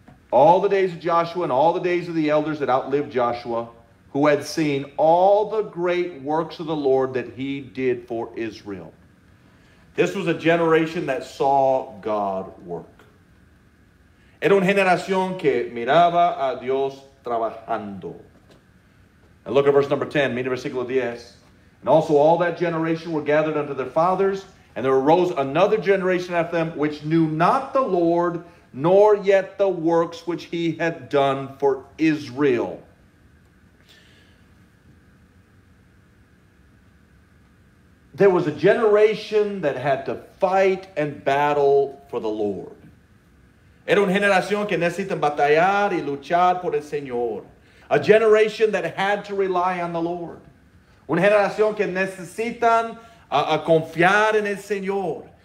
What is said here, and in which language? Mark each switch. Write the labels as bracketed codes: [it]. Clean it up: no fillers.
[en] All the days of Joshua and all the days of the elders that outlived Joshua, who had seen all the great works of the Lord that he did for Israel. This was a generation that saw God work. [es] Era una generación que miraba a Dios trabajando. [en] And look at verse number 10, [es] mira versículo 10. [en] And also all that generation were gathered unto their fathers, and there arose another generation after them which knew not the Lord, nor yet the works which he had done for Israel. There was a generation that had to fight and battle for the Lord. [es] Era una generación que necesita batallar y luchar por el Señor. [en] A generation that had to rely on the Lord. [es] Una generación que necesitan confiar en el Señor.